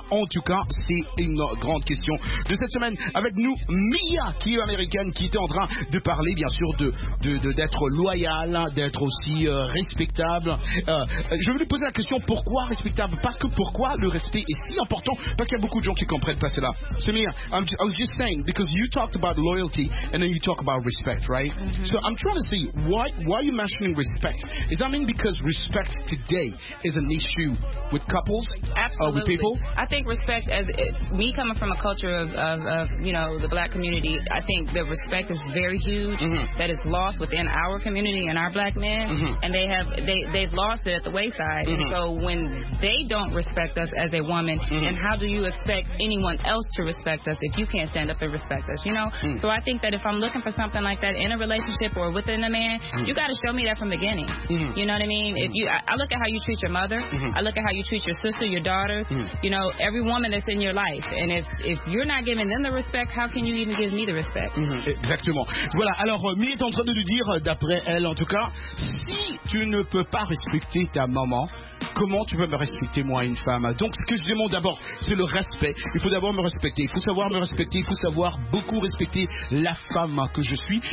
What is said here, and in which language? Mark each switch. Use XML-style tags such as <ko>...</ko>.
<fr>En tout cas, c'est une grande question de cette semaine. Avec nous, Mia, qui est américaine, qui est en train de parler, bien sûr, d'être loyal, d'être aussi respectable. Je vais lui poser la question, pourquoi respectable? Parce que pourquoi le respect est si important? Parce qu'il y a beaucoup de gens qui ne comprennent pas cela.</fr> <en>So Mia, I was just saying, because you talked about loyalty, and then you talk about respect, right? Mm-hmm. So I'm trying to see, why are you mentioning respect? Is that mean because respect today is an issue with couples? Absolutely. With people? I think respect, me coming from a culture of you know, the black community, I think the respect is very huge. Mm-hmm. That is lost within our community and our black men. Mm-hmm. And they've lost it at the wayside. Mm-hmm. So when they don't respect us as a woman, mm-hmm. and how do you expect anyone else to respect us if you can't stand up and respect us, you know? Mm-hmm. So I think that if I'm looking for something like that in a relationship or within a man, mm-hmm. you got to show me that from the beginning. Mm-hmm. You know what I mean? Mm-hmm. I look at how you treat your mother. Mm-hmm. I look at how you treat your sister, your daughters, mm-hmm. you know, every woman that's in your life. And if you're not giving them the respect, how can you even give me the respect? Mm-hmm.</en> <fr>Exactement. Voilà, alors Mia est en train de lui dire, d'après elle en tout cas, si tu ne peux pas respecter ta maman, comment tu peux me respecter, moi, une femme? Donc, ce que je demande d'abord, c'est le respect. Il faut d'abord me respecter. Il faut savoir me respecter. Il faut savoir beaucoup respecter la femme que je suis.</fr>